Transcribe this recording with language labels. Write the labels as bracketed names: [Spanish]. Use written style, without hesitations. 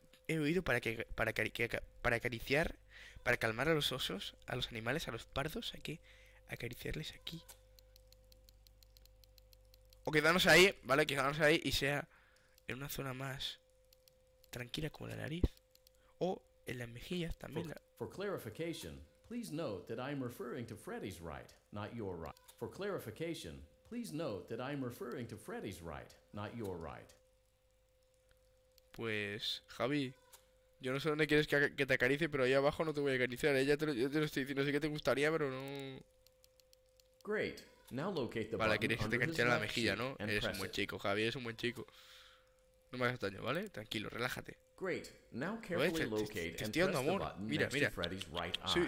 [Spanish] He oído para acariciar, para calmar a los osos, a los animales, a los pardos, hay que acariciarles aquí. O quedarnos ahí, ¿vale? Quedarnos ahí y sea en una zona más... tranquila como la nariz o en las mejillas también. [English] For clarification, please note that I'm referring to Freddy's right, not your right. For clarification, please note that I'm referring to Freddy's right, not your right. [Spanish] Pues, Javi, yo no sé dónde quieres que te acaricie, pero ahí abajo no te voy a acariciar. Yo te lo estoy diciendo, sé que te gustaría, pero no. [English] Great. Now locate the button. [Spanish] Vale, quieres que te acaricie la mejilla, ¿no? Eres un buen chico, Javi, eres un buen chico. No me hagas daño, ¿vale? Tranquilo, relájate. [English] Great. Now carefully locate and press the button next to Freddy's right eye.